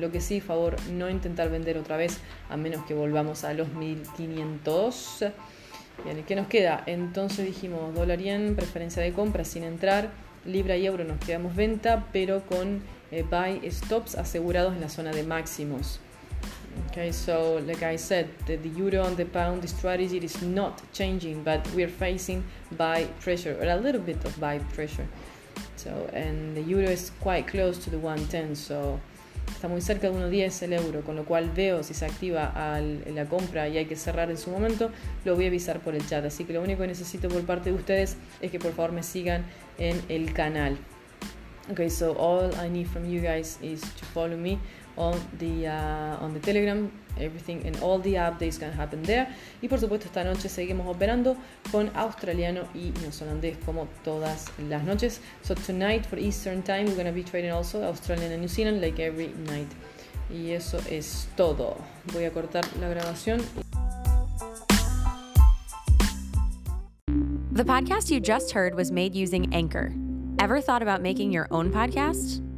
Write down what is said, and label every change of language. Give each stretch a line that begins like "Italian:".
Spanish: Lo que sí, favor, no intentar vender otra vez a menos que volvamos a los 1500. Bien, ¿qué nos queda? Entonces dijimos dólar yen, preferencia de compra sin entrar. Libra y euro nos quedamos venta, pero con buy stops asegurados en la zona de máximos.
English: Okay, so like I said, the euro and the pound strategy is not changing, but we are facing buy pressure, or a little bit of buy pressure. So, and the euro is quite close to the 110, so
Spanish: está muy cerca de 1.10 el euro, con lo cual veo si se activa la compra y hay que cerrar en su momento, lo voy a avisar por el chat. Así que lo único que necesito por parte de ustedes es que por favor me sigan en el canal.
English: Okay, so all I need from you guys is to follow me on the Telegram. Everything and all the updates can happen there.
Spanish: Y por supuesto, esta noche seguimos operando con australiano y neozelandés como todas las noches.
English: So tonight for Eastern time we're going to be trading also Australian and New Zealand like every night.
Spanish: Y eso es todo. Voy a cortar la grabación.
English: The podcast you just heard was made using Anchor. Ever thought about making your own podcast?